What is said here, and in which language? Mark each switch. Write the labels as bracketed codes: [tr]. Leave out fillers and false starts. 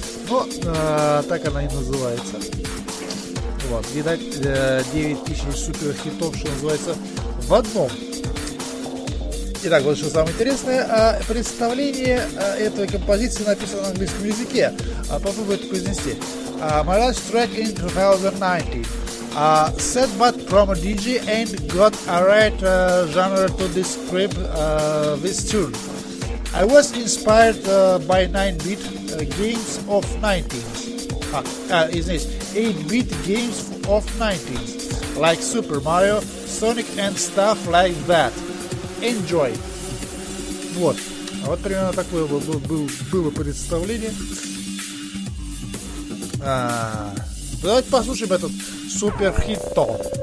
[ru] Но так она и называется. Вот, видать, 9000 суперхитов, что называется, в одном. Итак, вот что самое интересное. Представление этой композиции написано на английском языке. Попробую это произнести. [en] My last track in 2019. Set but promo DJ and got a right genre to describe this tune. I was inspired by 9-bit games of 90s. [ru] Извините, [en] 8-bit games of 90s, like Super Mario, Sonic and stuff like that. Enjoy. [ru] Вот. Вот примерно такое было представление. Давайте послушаем этот супер хит-то.